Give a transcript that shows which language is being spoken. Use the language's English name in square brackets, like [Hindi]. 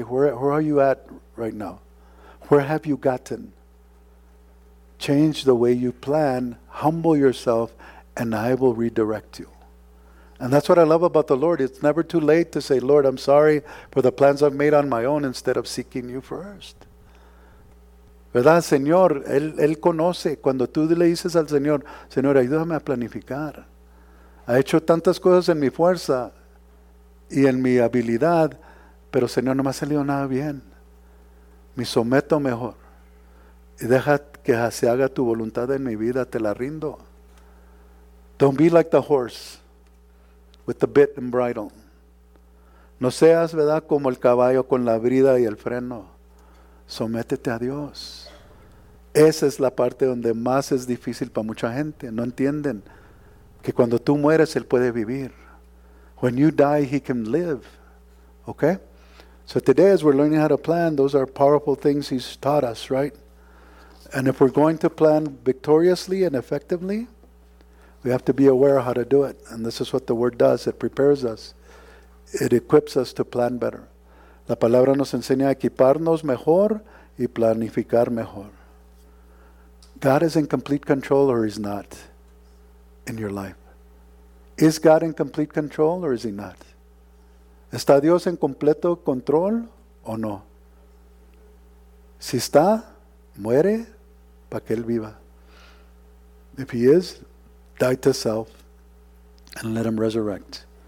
[English] Where are you at right now? Where have you gotten? Change the way you plan, humble yourself, and I will redirect you. And that's what I love about the Lord. It's never too late to say, Lord, I'm sorry for the plans I've made on my own instead of seeking you first. [Spanish] ¿Verdad, Señor? Él conoce. Cuando tú le dices al Señor, Señor, ayúdame a planificar. Ha hecho tantas cosas en mi fuerza y en mi habilidad, pero Señor, no me ha salido nada bien. Me someto mejor y deja que se haga tu voluntad en mi vida, te la rindo. [English] Don't be like the horse with the bit and bridle. [Spanish] No seas, ¿verdad?, como el caballo con la brida y el freno. Sométete a Dios. Esa es la parte donde más es difícil para mucha gente. No entienden que cuando tú mueres, Él puede vivir. [English] When you die, He can live. Okay? So today, as we're learning how to plan, those are powerful things he's taught us, right? And if we're going to plan victoriously and effectively, we have to be aware of how to do it. And this is what the word does. It prepares us. It equips us to plan better. La palabra nos enseña a equiparnos mejor y planificar mejor. God is in complete control or he's not in your life. Is God in complete control or is he not? [Spanish] ¿Está Dios en completo control o no? Si está, muere para que él viva. [English] If he is, die to self and let him resurrect.